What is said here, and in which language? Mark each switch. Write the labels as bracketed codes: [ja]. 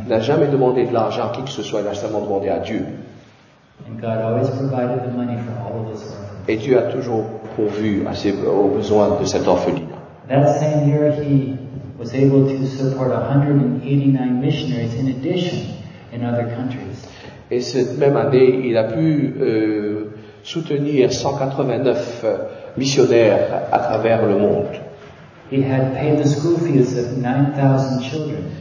[fr] Il n'a jamais demandé de l'argent à qui que ce soit. Il a seulement demandé à Dieu. [en] And God always provided the money for all of his orphans. [fr] Et Dieu a toujours pourvu aux besoins de cet orphelinat. [en] That same year he was able to support 189 missionaries in addition in other countries. [fr] Et cette même année, il a pu soutenir 189 missionnaires à travers le monde. [en] He had paid the school fees of 9,000 children.